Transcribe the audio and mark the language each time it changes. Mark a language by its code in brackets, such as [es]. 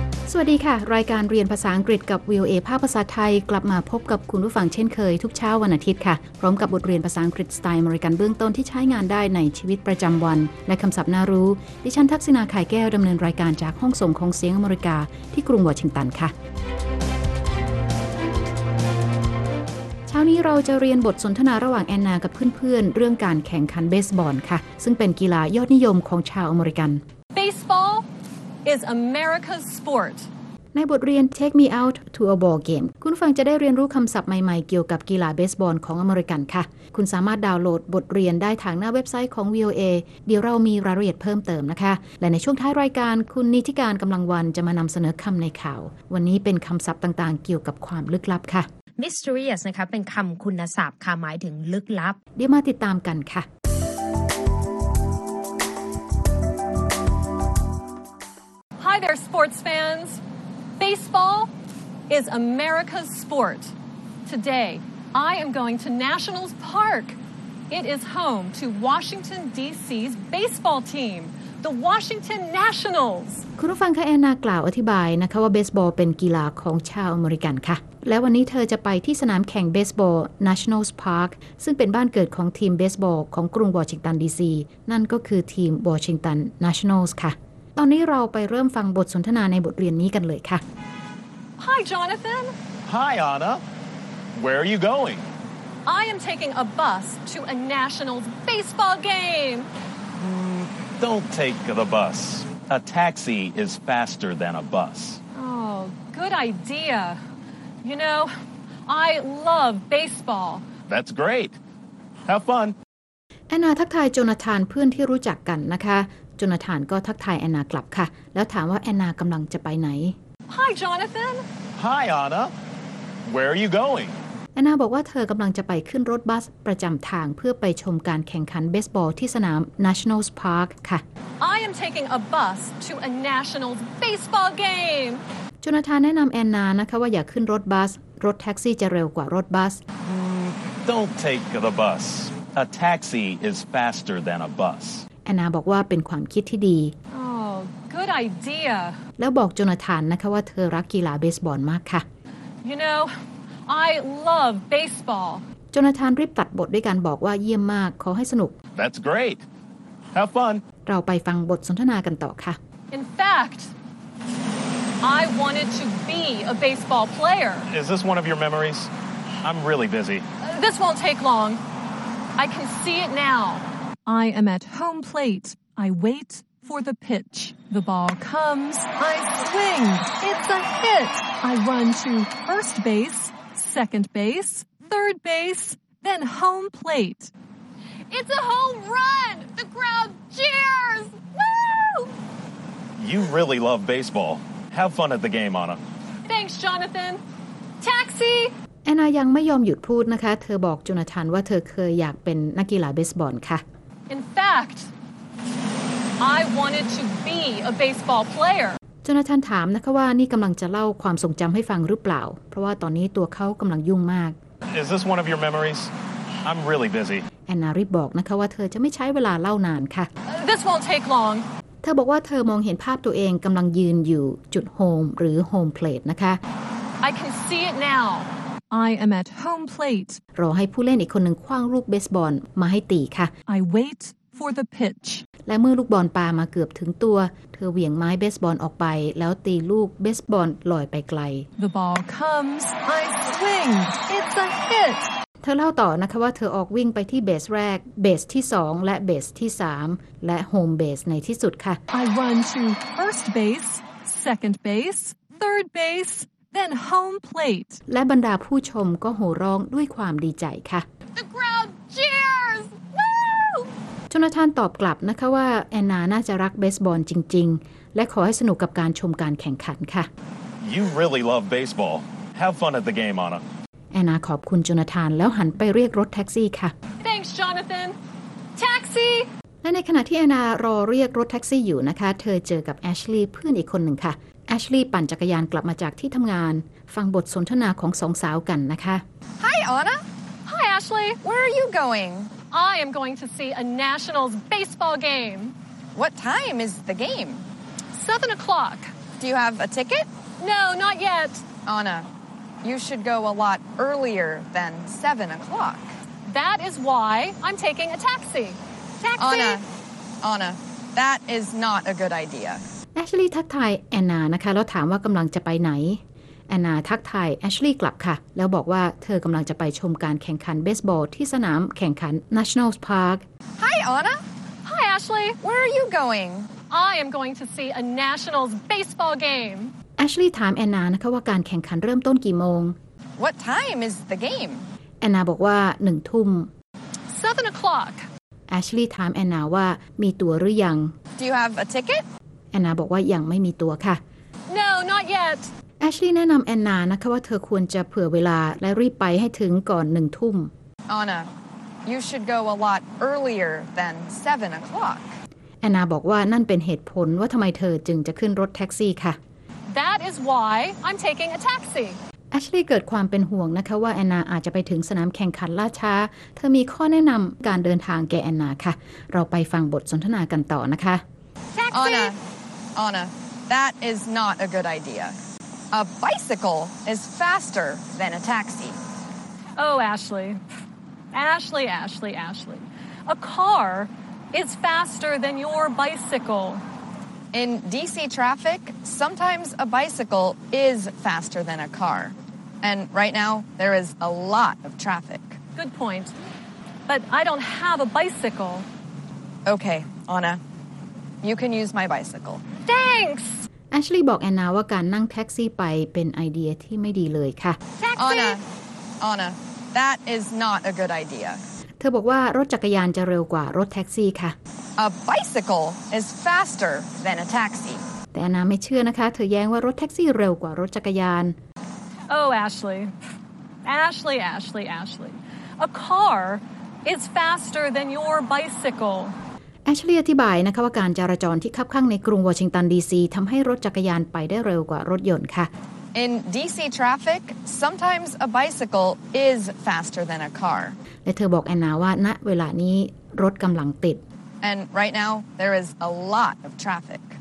[th] สวัสดีค่ะรายการเรียนภาษาอังกฤษกับ VOA ภาคภาษาไทยกลับมาพบกับคุณผู้ฟังเช่นเคยทุกเช้าวันอาทิตย์ค่ะพร้อมกับบทเรียนภาษาอังกฤษสไตล์อเมริกันเบื้องต้นที่ใช้งานได้ในชีวิตประจำวันและคำศัพท์น่ารู้ดิฉันทักษิณาไข่แก้วดำเนินรายการจากห้องส่งของเสียงอเมริกาที่กรุงวอชิงตันค่ะเช้านี้เราจะเรียนบทสนทนาระหว่างแอนนากับเพื่อนๆเรื่องการแข่งขันเบสบอลค่ะซึ่งเป็นกีฬายอดนิยมของชาวอเมริกัน [en] Baseball is America's sport [th] ในบทเรียน [en] Take Me Out to a Ball Game [th] คุณฟังจะได้เรียนรู้คำศัพท์ใหม่ๆเกี่ยวกับกีฬาเบสบอลของอเมริกันค่ะคุณสามารถดาวน์โหลดบทเรียนได้ทางหน้าเว็บไซต์ของ VOA เดี๋ยวเรามีรายละเอียดเพิ่มเติมนะคะและในช่วงท้ายรายการคุณนิติการกำลังวันจะมานำเสนอคำในข่าววันนี้เป็นคำศัพท์ต่างๆเกี่ยวกับความลึกลับค่ะ mysterious นะคะเป็นคำคุณศัพท์ค่ะหมายถึงลึกลับ เดี๋ยวมาติดตามกันค่ะ [en] Hi there sports fans Baseball is America's sport Today I am going to Nationals Park It is home to Washington DC's baseball teamThe Washington Nationals [th] คุณผู้ฟังคะแอนนากล่าวอธิบายนะคะว่าเบสบอลเป็นกีฬาของชาวอเมริกันค่ะและวันนี้เธอจะไปที่สนามแข่งเบสบอล Nationals Park ซึ่งเป็นบ้านเกิดของทีมเบสบอลของกรุงวอชิงตันดีซีนั่นก็คือทีมวอชิงตัน Nationals ค่ะตอนนี้เราไปเริ่มฟังบทสนทนาในบทเรียนนี้กันเลยค่ะ [en] Hi Jonathan Hi Anna Where are you going I am taking a bus to a Nationals baseball game Don't take the bus. A taxi is faster than a bus. Oh, good idea. You know, I love baseball. That's great. Have fun. [th] Anna ทักทายโจนาธานเพื่อนที่รู้จักกันนะคะโจนาธานก็ทักทายแอนนากลับค่ะแล้วถามว่าแอนนากำลังจะไปไหน [en] Hi, Jonathan. Hi, Anna. Where are you going? [th] แอนนาบอกว่าเธอกำลังจะไปขึ้นรถบัสประจำทางเพื่อไปชมการแข่งขันเบสบอลที่สนาม Nationals Park ค่ะ [en] I am taking a bus to a Nationals baseball game [th] โจนาธานแนะนำแอนนานะคะว่าอย่าขึ้นรถบัสรถแท็กซี่จะเร็วกว่ารถบัส [en] Don't take the bus A taxi is faster than a bus [th] แอนนาบอกว่าเป็นความคิดที่ดี [en] Oh, good idea [th] แล้วบอกโจนาธานนะคะว่าเธอรักกีฬาเบสบอลมากค่ะ [en] You knowI love baseball. [th] Jonathan รีบตัดบทด้วยการบอกว่าเยี่ยมมากขอให้สนุก [en] That's great. Have fun. [th] เราไปฟังบทสนทนากันต่อค่ะ [en] In fact, I wanted to be a baseball player. Is this one of your memories? I'm really busy. This won't take long. I can see it now. I am at home plate. I wait for the pitch. The ball comes. I swing. It's a hit. I run to first base. Second base, third base, then home plate. It's a home run! The crowd cheers! Woo! You really love baseball. Have fun at the game, Anna. Thanks, Jonathan. Taxi! [th] Anna ยังไม่ยอมหยุดพูดนะคะเธอบอกโจนาธานว่าเธอเคยอยากเป็นนักกีฬาเบสบอลค่ะ [en] In fact, I wanted to be a baseball player. [th] โจนาธานถามนะคะว่านี่กำลังจะเล่าความทรงจำให้ฟังหรือเปล่าเพราะว่าตอนนี้ตัวเขากำลังยุ่งมาก [en] Is this one of your memories? I'm really busy. [th] แอนนารีบบอกนะคะว่าเธอจะไม่ใช้เวลาเล่านานค่ะ [en] This won't take long. [th] เธอบอกว่าเธอมองเห็นภาพตัวเองกำลังยืนอยู่จุดโฮมหรือโฮมเพลทนะคะ [en] I can see it now. I am at home plate. [th] รอให้ผู้เล่นอีกคนหนึ่งขว้างลูกเบสบอลมาให้ตีค่ะ [en] I waitFor the pitch. [th] และเมื่อลูกบอลปามาเกือบถึงตัวเธอเหวี่ยงไม้เบสบอลออกไปแล้วตีลูกเบสบอลลอยไปไกล [en] The ball comes. I swing. It's a hit. [th] เธอเล่าต่อนะคะว่าเธอออกวิ่งไปที่เบสแรกเบสที่สองและเบสที่สามและโฮมเบสในที่สุดค่ะ [en] I run to first base, second base, third base, then home plate. [th] และบรรดาผู้ชมก็โห่ร้องด้วยความดีใจค่ะโจนาธานตอบกลับนะคะว่าแอนนาน่าจะรักเบสบอลจริงๆและขอให้สนุกกับการชมการแข่งขันค่ะ [en] You really love baseball. Have fun at the game, Anna. [th] แอนนาขอบคุณโจนาธานแล้วหันไปเรียกรถแท็กซี่ค่ะ [en] Thanks, Jonathan. Taxi. [th] และในขณะที่แอนนารอเรียกรถแท็กซี่อยู่นะคะเธอเจอกับแอชลีย์เพื่อนอีกคนหนึ่งค่ะแอชลีย์ปั่นจักรยานกลับมาจากที่ทำงานฟังบทสนทนาของสองสาวกันนะคะ [en] Hi, Anna. Hi, Ashley. Where are you going? I am going to see a Nationals baseball game. What time is the game? 7 o'clock. Do you have a ticket? No, not yet. Anna, you should go a lot earlier than 7 o'clock. That is why I'm taking a taxi. Taxi! Anna, that is not a good idea. [th] Ashley ทักทายแอนนานะคะแล้วถามว่ากำลังจะไปไหนแอนนาทักทาย Ashley กลับค่ะแล้วบอกว่าเธอกำลังจะไปชมการแข่งขันเบสบอลที่สนามแข่งขัน National Park [en] Hi Anna Hi Ashley Where are you going I am going to see a Nationals baseball game [th] Ashley ถามแอนนานะคะว่าการแข่งขันเริ่มต้นกี่โมง [en] What time is the game [th] แอนนาบอกว่า 1 ทุ่ม [en] 7 o'clock [th] Ashley ถามแอนนาว่ามีตั๋วหรือยัง [en] Do you have a ticket [th] แอนนาบอกว่ายังไม่มีตั๋วค่ะ [en] No not yet [th] แอชลีย์แนะนำแอนนานะคะว่าเธอควรจะเผื่อเวลาและรีบไปให้ถึงก่อน 1 ทุ่ม [en] Anna, you should go a lot earlier than 7 o'clock. [th] แอนนาบอกว่านั่นเป็นเหตุผลว่าทำไมเธอจึงจะขึ้นรถแท็กซี่ค่ะ [en] That is why I'm taking a taxi. [th] แอชลีย์เกิดความเป็นห่วงนะคะว่าแอนนาอาจจะไปถึงสนามแข่งขันล่าช้าเธอมีข้อแนะนำการเดินทางแก่แอนนาค่ะเราไปฟังบทสนทนากันต่อนะคะ [en] Taxi. Anna, that is not a good idea. A bicycle is faster than a taxi. Oh, Ashley. Ashley. A car is faster than your bicycle. In DC traffic, sometimes a bicycle is faster than a car. And right now, there is a lot of traffic. Good point. But I don't have a bicycle. Okay, Anna. You can use my bicycle. Thanks! [th] Ashley บอกแอนนาว่าการนั่งแท็กซี่ไปเป็นไอเดียที่ไม่ดีเลยค่ะ [en] Anna, that is not a good idea. [th] เธอบอกว่ารถจักรยานจะเร็วกว่ารถแท็กซี่ค่ะ [en] A bicycle is faster than a taxi. [th] แต่แอนนาไม่เชื่อนะคะเธอแย้งว่ารถแท็กซี่เร็วกว่ารถจักรยาน [en] Oh, Ashley. A car is faster than your bicycle. [th] แอชลีย์อธิบายนะคะว่าการจราจรที่คับข้างในกรุงวอชิงตันดีซีทำให้รถจักรยานไปได้เร็วกว่ารถยนต์ค่ะ [en] In DC traffic, sometimes a bicycle is faster than a car. [th] และเธอบอกแอนนาว่าณเวลานี้รถกำลังติด [en] And right now, there is a lot of traffic.